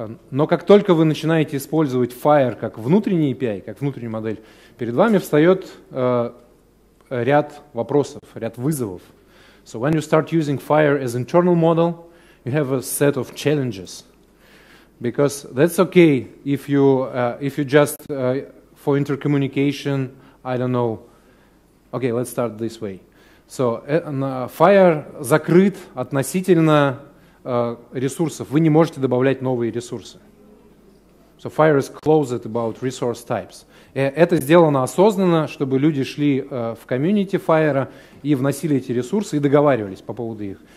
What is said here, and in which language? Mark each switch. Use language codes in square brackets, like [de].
[ru] Но как только вы начинаете использовать FHIR как внутренний API, как внутреннюю модель, перед вами встает ряд вопросов, ряд вызовов. [en] So when you start using FHIR as internal model, you have a set of challenges. Because that's okay if you just for intercommunication, I don't know. Okay, let's start this way. [ru] So FHIR закрыт относительно ресурсов. Вы не можете добавлять новые ресурсы. [en] So FHIR is closed about resource types. [ru] Это сделано осознанно, чтобы люди шли в комьюнити FHIR и вносили эти ресурсы и договаривались по поводу их.